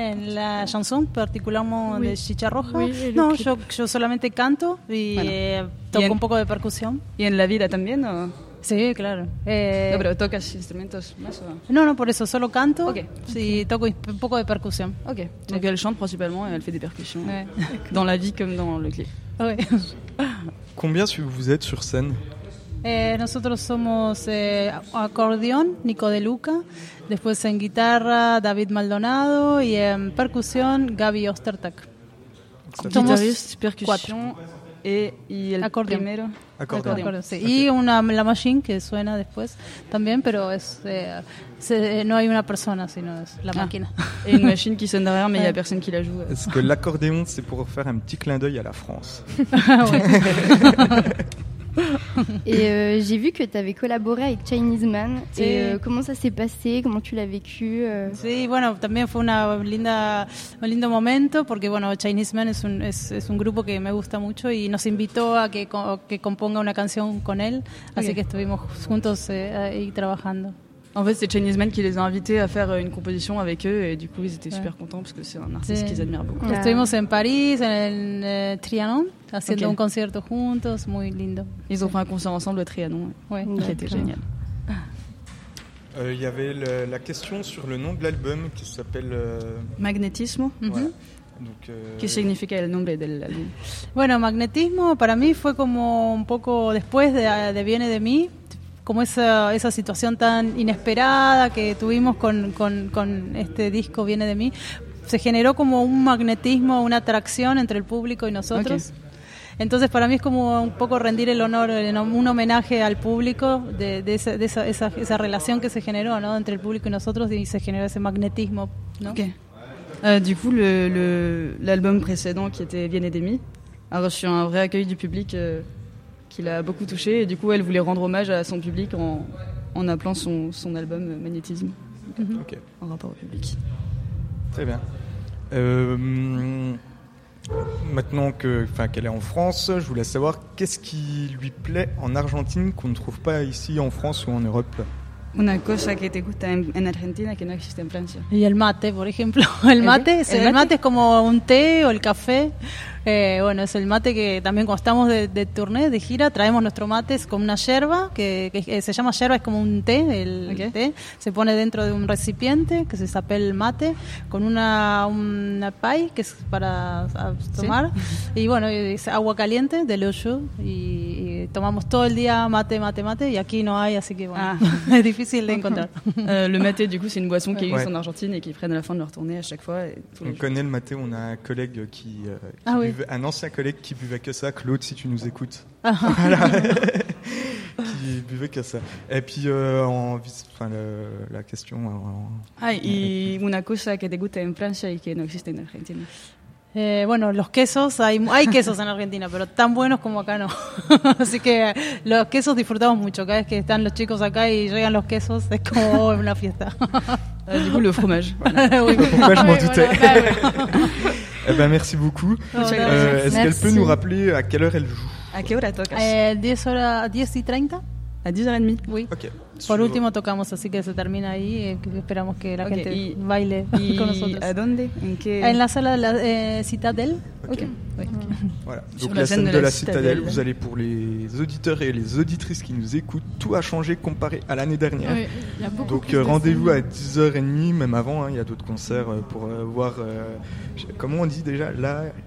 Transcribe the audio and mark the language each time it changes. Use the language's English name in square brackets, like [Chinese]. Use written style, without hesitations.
[French] La chanson, particulièrement oui. De Chicha Aloha. Oui, non, je seulement [Spanish] canto [French] et [Spanish] bueno. Toco [French] un peu de percussion. [Spanish] Et en la vida también o... Sí, claro. No, pero ¿tocas instrumentos más o...? No, por eso, solo canto. Ok. Sí, toco un poco de percusión. Ok. Sí. [French] Donc elle chante principalement et elle fait des percussions. Ouais. Dans la vie comme dans le clip. Oui. Combien vous êtes sur scène? [Spanish] Nosotros somos acordeón, Nico De Luca. Después en guitarra, David Maldonado. Y en percusión, Gaby Ostertag. [French] Guitariste, percussion... [Spanish] Y el acordeón. Primero acordeón. Sí. Okay. Y una la machine que suena después también, pero es no hay una persona, sino es la máquina. Y una machine que suena derrière, pero no hay personne que la joue. Es que el acordeón es para hacer [French] un petit clin d'œil [Spanish] a [French] la France. Et j'ai vu que tu avais collaboré avec Chinese Man. Sí. Et comment ça s'est passé? Comment tu l'as vécu? [Spanish] Sí, bueno, también fue una linda, un lindo momento porque bueno, Chinese Man es un grupo que me gusta mucho y nos invitó a que componga una canción con él. Okay. Así que estuvimos juntos ahí trabajando. [French] En fait, c'est Chinese Man qui les a invités à faire une composition avec eux et du coup, ils étaient super contents parce que c'est un artiste qu'ils admirent beaucoup. Nous étions en Paris, en Trianon, [Spanish] haciendo un concierto juntos, muy lindo. [French] Ils ont fait un concert ensemble au Trianon, qui était génial. Il y avait la question sur le nom de l'album qui s'appelle... [Spanish] Magnetismo. ¿Qué significa el nombre del álbum? Bueno, Magnetismo para mí fue como un poco después de Viene de mí. Como esa situación tan inesperada que tuvimos con este disco Viene de mí, se generó como un magnetismo, una atracción entre el público y nosotros. Okay. Entonces para mí es como un poco rendir el honor, un homenaje al público de esa relación que se generó, ¿no? Entre el público y nosotros y se generó ese magnetismo, ¿no? Okay. [French] Du coup, l'album précédent qui était Viene de mí a reçu un vrai accueil du public. Qui l'a beaucoup touché et du coup elle voulait rendre hommage à son public en appelant son album Magnétisme okay. En rapport au public. Très bien. Maintenant qu'elle est en France, je voulais savoir qu'est-ce qui lui plaît en Argentine qu'on ne trouve pas ici en France ou en Europe. [Spanish] Una cosa que te gusta en Argentina que no existe en Francia. Y el mate, por ejemplo. El mate, ¿El mate es como un té o el café. Bueno, es el mate que también cuando estamos de turné, de gira, traemos nuestro mate con una yerba, que se llama yerba, es como un té, el té. Se pone dentro de un recipiente, que se llama el mate, con una pay, que es para tomar. ¿Sí? Y bueno, es agua caliente [French] de l'eau chaude [Spanish] y tomamos todo el día mate, y aquí no hay, así que bueno, es difícil de encontrar. [French] Le mate, du coup, c'est une boisson qu'ils usent en Argentine et qu'ils prennent à la fin de leur tournée à chaque fois. On connaît le mate, on a un collègue qui... un ancien collègue qui buvait que ça, Claude, si tu nous écoutes. Voilà. Qui buvait que ça. Et puis, la question. [Spanish] Una cosa que te gusta en Francia y que no existe en Argentina. Bueno, los quesos, hay quesos en Argentina, pero tan buenos como acá no. Así que los quesos disfrutamos mucho. Cada vez que están los chicos acá y llegan los quesos, es como una fiesta. [French] Du coup, le fromage. Voilà. Oui. Le fromage, je m'en doutais. Voilà. Eh ben, merci beaucoup. Est-ce qu'elle peut nous rappeler à quelle heure elle joue? À quelle heure elle toque? 10h30. à 10h30. Oui. Okay. [Spanish] Por último tocamos, así que se termina ahí. Esperamos que la gente baile con nosotros. ¿A dónde? En la sala de la Citadelle. [French] Voilà. Donc la scène de la Citadelle, vous allez, pour les auditeurs et les auditrices qui nous écoutent, tout a changé comparé à l'année dernière. Donc rendez-vous à 10h30, même avant, il y a d'autres concerts pour voir. Comment on dit déjà là?